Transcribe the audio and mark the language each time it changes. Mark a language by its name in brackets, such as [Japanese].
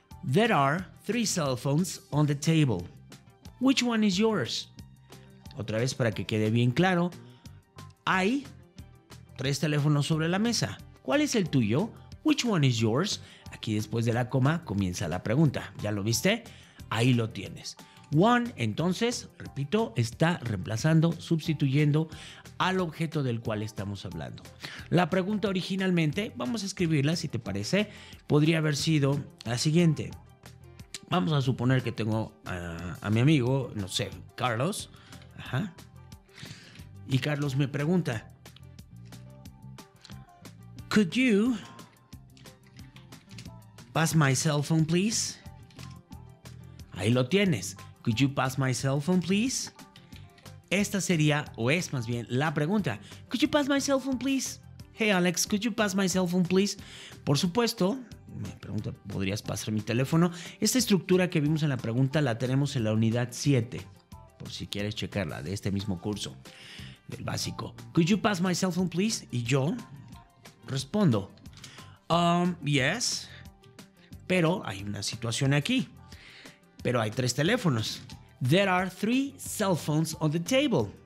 [English] There are three cell phones on the table, which one is yours? [Spanish] Otra vez para que quede bien claro, hay tres teléfonos sobre la mesa. ¿Cuál es el tuyo? [English] Which one is yours? [Spanish] Aquí después de la coma comienza la pregunta. ¿Ya lo viste? Ahí lo tienes. One, entonces, repito, está reemplazando, sustituyendo al objeto del cual estamos hablando. La pregunta originalmente, vamos a escribirla si te parece, podría haber sido la siguiente. Vamos a suponer que tengo a mi amigo, no sé, Carlos. Ajá. Y Carlos me pregunta, [English] could you pass my cell phone, please? [Spanish] Ahí lo tienes. [English] Could you pass my cell phone, please? [Spanish] Esta sería, o es más bien, la pregunta. [English] Could you pass my cell phone, please? Hey, Alex, could you pass my cell phone, please? [Spanish] Por supuesto, me pregunta, ¿podrías pasar mi teléfono? Esta estructura que vimos en la pregunta la tenemos en la unidad 7, por si quieres checarla, de este mismo curso, del básico. [English] Could you pass my cell phone, please? [Spanish] Y yo respondo, yes, pero hay una situación aquí. Pero hay tres teléfonos. [English] There are three cell phones on the table.